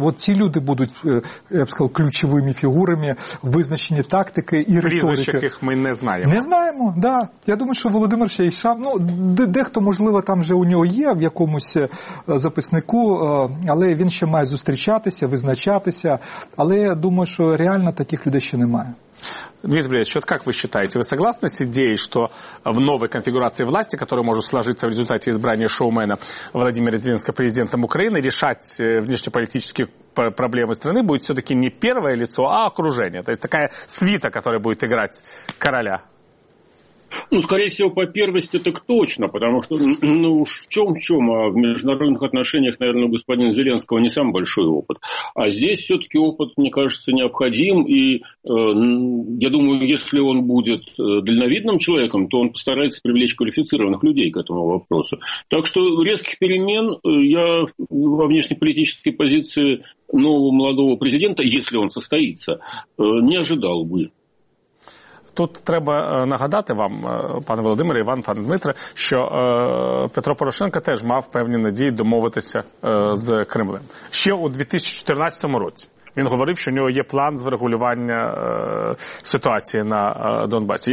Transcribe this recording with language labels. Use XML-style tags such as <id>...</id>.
<uk>От ці люди будуть, я б сказав, ключовими фігурами, визначені тактики і риторики. Прізвищ, яких ми не знаємо. Не знаємо, так. Да. Я думаю, що Володимир ще й сам, ну, дехто, можливо, там вже у нього є в якомусь записнику, але він ще має зустрічатися, визначатися. Але я думаю, що реально таких людей ще немає.</uk> <ru>Дмитрий Ильич, вот как вы считаете, вы согласны с идеей, что в новой конфигурации власти, которая может сложиться в результате избрания шоумена Владимира Зеленского президентом Украины, решать внешнеполитические проблемы страны будет все-таки не первое лицо, а окружение? То есть такая свита, которая будет играть короля? Ну, скорее всего, по первости так точно, потому что, ну уж в чем, а в международных отношениях, наверное, у господина Зеленского не самый большой опыт. А здесь все-таки опыт, мне кажется, необходим, и я думаю, если он будет дальновидным человеком, то он постарается привлечь квалифицированных людей к этому вопросу. Так что резких перемен я во внешнеполитической позиции нового молодого президента, если он состоится, не ожидал бы.</ru> <uk>Тут треба нагадати вам, пане Володимире, Іван, пане Дмитре, що Петро Порошенко теж мав певні надії домовитися з Кремлем. Ще у 2014 році він говорив, що у нього є план зрегулювання ситуації на Донбасі.</uk>